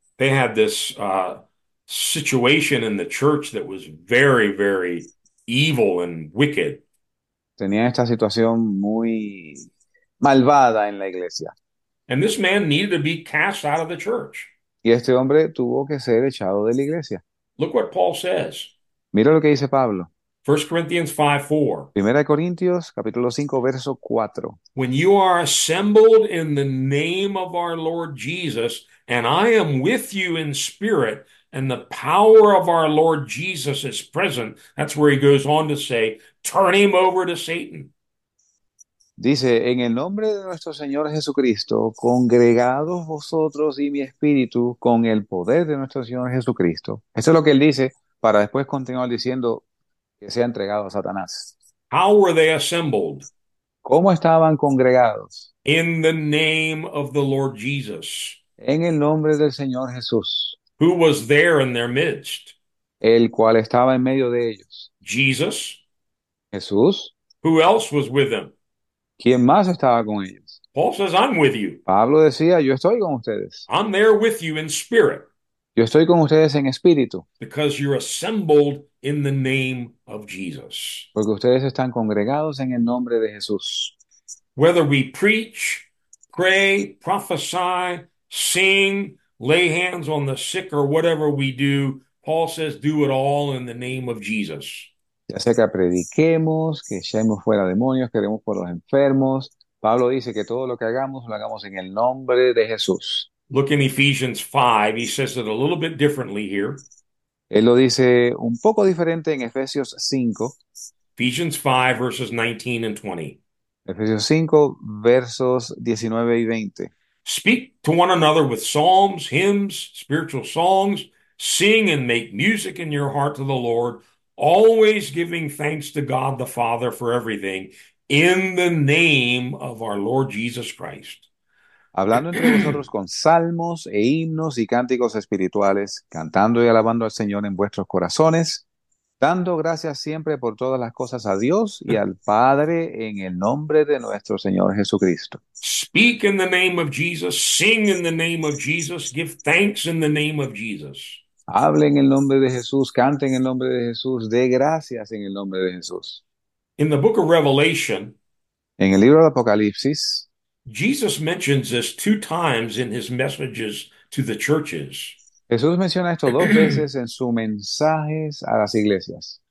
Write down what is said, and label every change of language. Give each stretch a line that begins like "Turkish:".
English: They had this situation in the church that was very, very evil and wicked.
Spanish: Tenía esta situación muy malvada en la iglesia.
English: And this man needed to be cast out of the church.
Spanish: Y este hombre tuvo que ser echado de la iglesia.
English: Look what Paul says.
Spanish: Mira lo que dice Pablo.
English: 1 Corinthians 5:4.
Spanish: 1 Corintios capítulo 5 verso 4.
English: When you are assembled in the name of our Lord Jesus, and I am with you in spirit, and the power of our Lord Jesus is present. That's where he goes on to say, turn him over to Satan.
Spanish: Dice, en el nombre de nuestro Señor Jesucristo, congregados vosotros y mi espíritu con el poder de nuestro Señor Jesucristo. Eso es lo que él dice para después continuar diciendo que se ha entregado a Satanás.
English: How were they assembled?
Spanish: ¿Cómo estaban congregados?
English: In the name of the Lord Jesus.
Spanish: En el nombre del Señor Jesús,
English: Who was there in their midst?
Spanish: el cual estaba en medio de ellos.
English: Jesus.
Spanish: Jesús.
English: Who else was with them?
Spanish: ¿Quién más estaba con ellos?
English: Paul says, I'm with you.
Spanish: Pablo decía, yo estoy con ustedes.
English: I'm there with you in spirit.
Spanish: Yo estoy con ustedes en espíritu.
English: Because you're assembled in the name of Jesus.
Spanish: Porque ustedes están congregados en el nombre de Jesús.
English: Whether we preach, pray, prophesy, sing, lay hands on the sick, or whatever we do, Paul says, do it all in the name of Jesus.
Spanish: Ya sea que prediquemos, que echemos fuera demonios, que oremos por los enfermos. Pablo dice que todo lo que hagamos, lo hagamos en el nombre de Jesús.
English: Look in Ephesians 5. He says it a little bit differently here.
Spanish: Él lo dice un poco diferente en Efesios 5.
English: Ephesians 5, verses 19 and 20.
Spanish: Efesios 5, versos 19 y 20.
English: Speak to one another with psalms, hymns, spiritual songs. Sing and make music in your heart to the Lord, always giving thanks to God the Father for everything, in the name of our Lord Jesus Christ.
Spanish: Hablando entre vosotros con salmos e himnos y cánticos espirituales, cantando y alabando al Señor en vuestros corazones, dando gracias siempre por todas las cosas a Dios y al Padre en el nombre de nuestro Señor Jesucristo.
English: Speak in the name of Jesus, sing in the name of Jesus, give thanks in the name of Jesus.
Spanish: Hablen en el nombre de Jesús, canten en el nombre de Jesús, dé gracias en el nombre de Jesús.
English: In the book of Revelation,
Spanish: En el libro de Apocalipsis,
English: Jesus mentions this two times in his messages to the churches.
Spanish: Jesús menciona esto dos veces en sus mensajes a las iglesias.